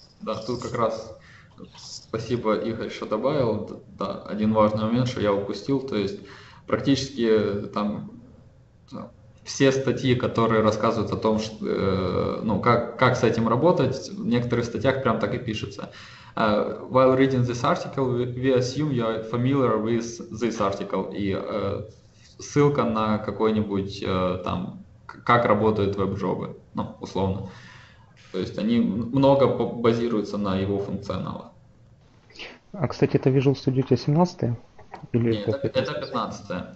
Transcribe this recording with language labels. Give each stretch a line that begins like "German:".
Russian: Да, тут как раз... Спасибо, Игорь, что добавил. Да, один важный момент, что я упустил. То есть практически там все статьи, которые рассказывают о том, что, ну, как с этим работать, в некоторых статьях прям так и пишется.
English: While reading this article, we assume you are familiar with this article.
Russian: И ссылка на какой-нибудь там, как работают веб-джобы, ну, условно. То есть они много базируются на его функционалах. А, кстати, это Visual Studio 17? Или нет, это 15.